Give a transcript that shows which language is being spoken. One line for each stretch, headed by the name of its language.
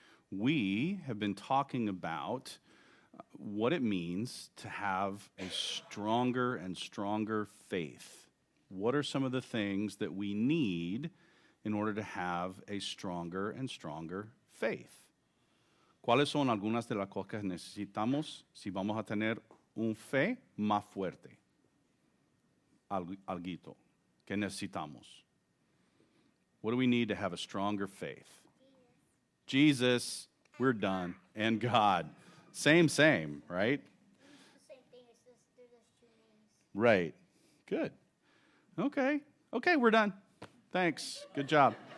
English: We have been talking about what it means to have a stronger and stronger faith. What are some of the things that we need in order to have a stronger and stronger faith?
Spanish: ¿Cuáles son algunas de las cosas que necesitamos si vamos a tener un fe más fuerte? Alguito. ¿Qué necesitamos?
English: What do we need to have a stronger faith? Jesus. We're done. And God. Same, right? Same thing. It's just two names. Right. Good. Okay, we're done. Thanks. Good job.